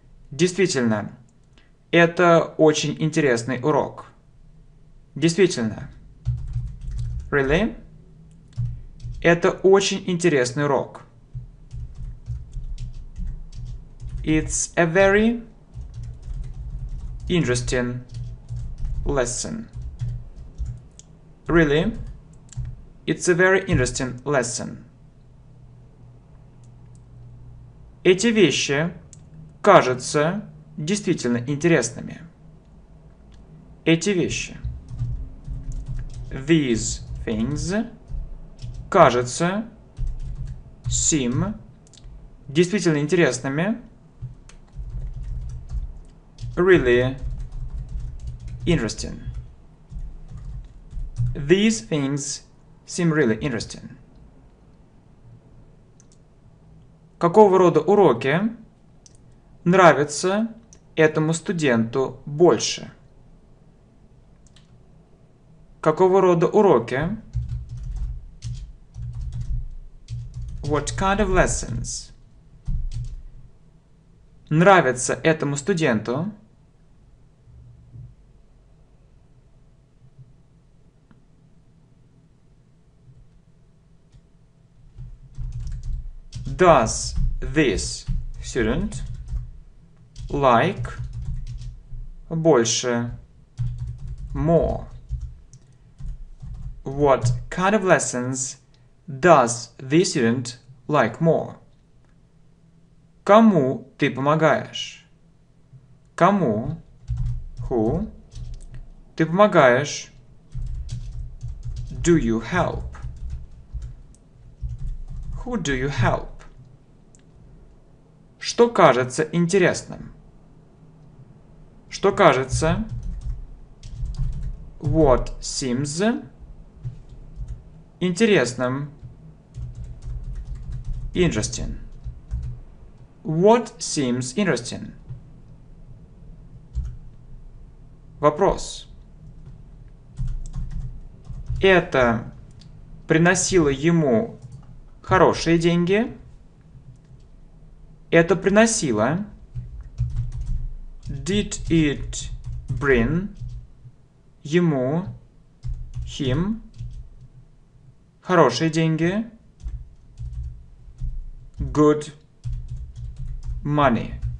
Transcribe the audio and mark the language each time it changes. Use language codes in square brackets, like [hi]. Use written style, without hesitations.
[ru] Действительно, это очень интересный урок. Действительно. [en] Really? [ru] Это очень интересный урок. [en] It's a very interesting lesson. Really? It's a very interesting lesson. [ru] Эти вещи кажутся действительно интересными. Эти вещи. [en] These things [ru] кажутся, [en] seem, [ru] действительно интересными. [en] Really interesting. These things seem really interesting. [ru] Какого рода уроки нравятся этому студенту больше? Какого рода уроки? [en] What kind of lessons? [ru] Нравятся этому студенту? [en] Does this student like [ru] больше, [en] more? What kind of lessons does this student like more? [ru] Кому ты помогаешь? Кому, [en] who, [ru] ты помогаешь? [en] Do you help? Who do you help? [ru] Что кажется интересным? Что кажется? [en] What seems [ru] интересным? [en] Interesting. What seems interesting? [ru] Вопрос. Это приносило ему хорошие деньги? Это приносило. [en] Did it bring [ru] ему, [en] him, [ru] хорошие деньги? [en] Good money.